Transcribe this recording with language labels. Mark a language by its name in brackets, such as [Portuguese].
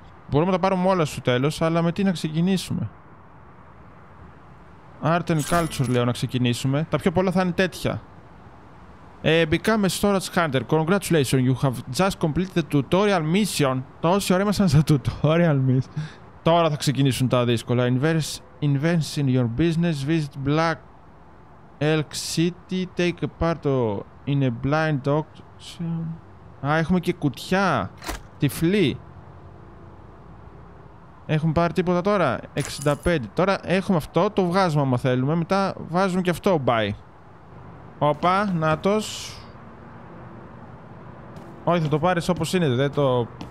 [Greek] Μπορούμε να τα πάρουμε όλα στο τέλος. Αλλά με τι να ξεκινήσουμε. Art and culture λέω να ξεκινήσουμε. Τα πιο πολλά θα είναι τέτοια. [English] Become a storage hunter. Congratulations, you have just completed the tutorial mission. [Greek] Τόση ώρα ήμασταν στα tutorial mission. Τώρα θα ξεκινήσουν τα δύσκολα. [English] Invest in your business. Visit Black Elk City. Take a part in a blind auction. [Greek] Α, έχουμε και κουτιά. Τυφλή. Έχουμε πάρει τίποτα τώρα. 65. Τώρα έχουμε αυτό. Το βγάζουμε άμα θέλουμε. Μετά βάζουμε και αυτό. Bye. Όπα, νάτος. Όχι, θα το πάρεις όπως είναι, δεν το...